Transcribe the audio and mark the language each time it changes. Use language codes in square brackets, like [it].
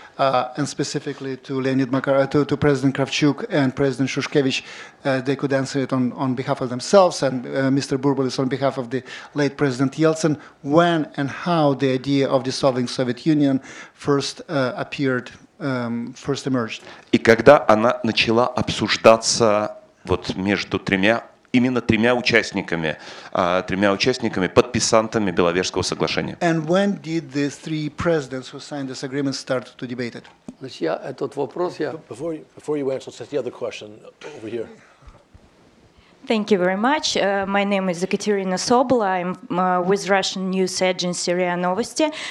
[en] And specifically to Leonid Makarov, to President Kravchuk and President Shushkevich, they could answer it on behalf of themselves, and Mr. Burbulis on behalf of the late President Yeltsin, when and how the idea of dissolving Soviet Union first appeared, first emerged. [ru] И когда она начала обсуждаться вот между тремя, именно тремя участниками, подписантами Беловежского соглашения. [en] And when did the three presidents who signed this agreement start to debate it? [ru] Значит, я этот вопрос, я... [en] Before you answer, let's take the other question over here. Thank you very much. My name is Ekaterina Sobol. I'm with Russian news agency RIA Novosti.